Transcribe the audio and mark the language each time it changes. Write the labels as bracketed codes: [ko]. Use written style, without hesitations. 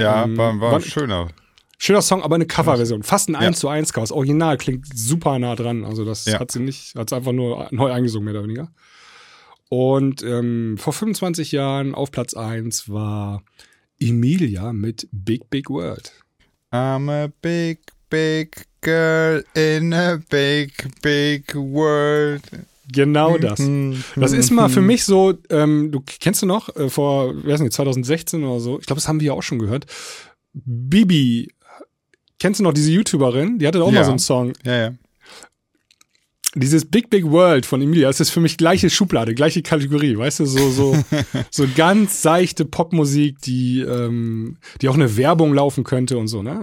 [de] Ja, war ein schöner. Schöner Song, aber eine Coverversion. Fast ein 1:1 Cover. Das Original klingt super nah dran. Also das hat sie nicht, hat es einfach nur neu eingesungen, mehr oder weniger. Und vor 25 Jahren auf Platz 1 war Emilia mit Big Big World. [en] I'm a big, big girl in a big, big world. [de] Genau das. Das ist mal für mich so, du kennst du noch, vor, wer ist denn, 2016 oder so, ich glaube, das haben wir ja auch schon gehört, Bibi, kennst du noch diese YouTuberin, die hatte auch mal so einen Song. Ja, ja. Dieses Big Big World von Emilia, das ist für mich gleiche Schublade, gleiche Kategorie, weißt du, so ganz seichte Popmusik, die auch eine Werbung laufen könnte und so, ne?